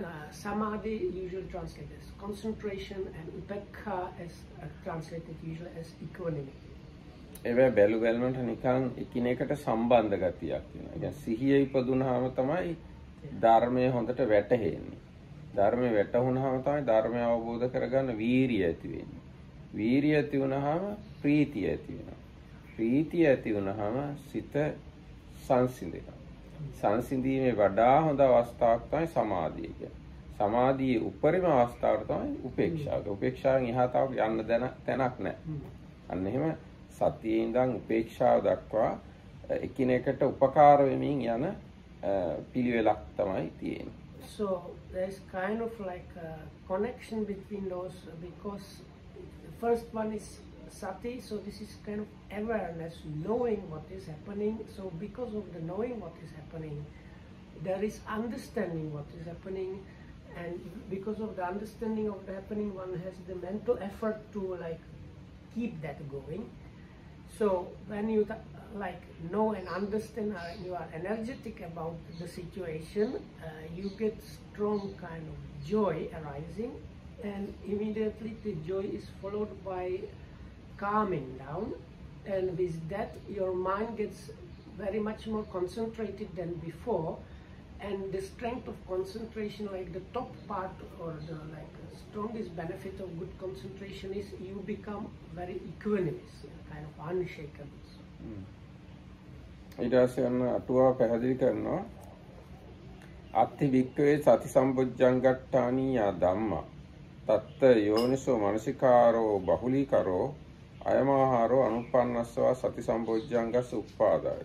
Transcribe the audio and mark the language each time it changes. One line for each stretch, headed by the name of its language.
English: Samadhi usually translated as concentration, and upekkha is translated usually as equanimity.
Sinhala: ඒ වෙ බැලු බැලමට නිකන් එකිනෙකට සම්බන්ධ ගතියක් වෙනවා. يعني සිහිය ඉපදුනහම තමයි ධර්මය හොඳට වැටහෙන්නේ. ධර්මය වැටුණහම තමයි ධර්මය අවබෝධ කරගන්න වීරිය ඇති වෙන්නේ. වීරිය ඇති වුණහම ප්‍රීතිය ඇති වෙනවා. ප්‍රීතිය ඇති වුණහම සිත සංසිඳෙනවා. සංසිඳීමේ වඩා හොඳ අවස්ථාවක් තමයි සමාධිය කියන්නේ. සමාධියේ උපරිම අවස්ථාවට තමයි උපේක්ෂාව කියන්නේ. උපේක්ෂාවෙන් එහාට යන්න තැනක් නැහැ. අන්න එහෙම සතියේ ඉඳන් උපේක්ෂාව දක්වා එකිනෙකට උපකාර වෙමින් යන පිළිවෙලක් තමයි තියෙන්නේ.
English: So there is kind of like a connection between those, because the first one is sati, so this is kind of awareness, knowing what is happening. So because of the knowing what is happening, there is understanding what is happening, and because of the understanding of the happening, one has the mental effort to like keep that going. So when you like know and understand, you are energetic about the situation, you get strong kind of joy arising, and immediately the joy is followed by calming down, and with that your mind gets very much more concentrated than before, and the strength of concentration, like the top part or the like strongest benefit of good concentration, is you become very equanimous, kind of unshakable.
Sinhala: ඊට පස්සේ යන අටුවා පැහැදිලි කරනවා
Pali: අත්ථි වික්ඛවේ සති සම්බොජ්ජංගට්ඨානි ය ධම්ම තත්ත යෝනිසෝ මනසිකාරෝ බහුලීකරෝ අයමාහාරෝ අනුපන්නස්සවා සති සම්බොජ්ජංගස් උප්පාදාය.